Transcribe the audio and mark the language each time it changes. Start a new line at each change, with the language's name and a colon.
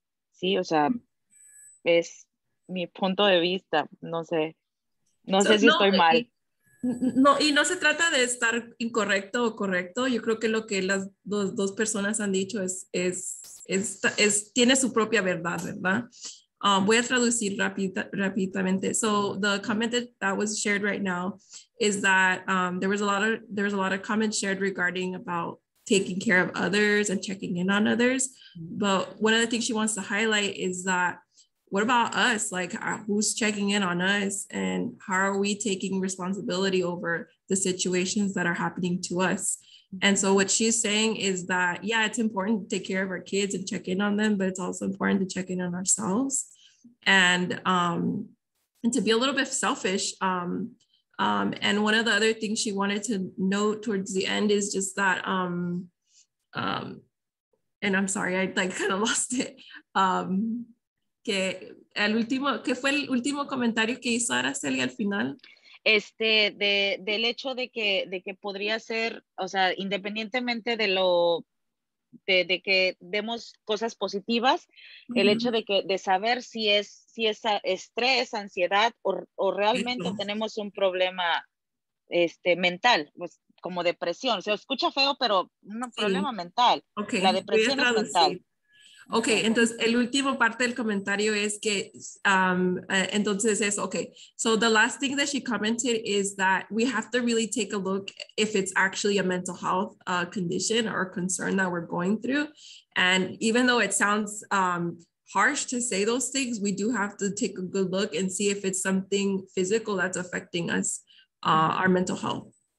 Spanish: Sí, o sea, es mi punto de vista. No sé si estoy mal. Y no se trata de estar incorrecto o correcto. Yo creo que lo que las dos personas han dicho es tiene su propia verdad, ¿verdad? Voy a traducir rápidamente.
English: So the comment that was shared right now is that there was a lot of comments shared regarding about taking care of others and checking in on others. But one of the things she wants to highlight is that, what about us? Like, who's checking in on us, and how are we taking responsibility over the situations that are happening to us? And so what she's saying is that, yeah, it's important to take care of our kids and check in on them, but it's also important to check in on ourselves. And to be a little bit selfish. And one of the other things she wanted to note towards the end is just that, and I'm sorry, I like kind of lost it.
Spanish: ¿Qué fue el último comentario que hizo Araceli al final? Del hecho de que podría ser, o sea, independientemente de lo de que demos cosas positivas, el hecho de saber si es estrés, ansiedad, o realmente tenemos un problema mental, pues, como depresión. O sea, escucha feo, pero un problema mental. Okay. La depresión es mental. Ok, entonces el último parte del comentario es que, entonces es, ok.
English: So the last thing that she commented is that we have to really take a look if it's actually a mental health condition or concern that we're going through. And even though it sounds harsh to say those things, we do have to take a good look and see if it's something physical that's affecting us, our mental health.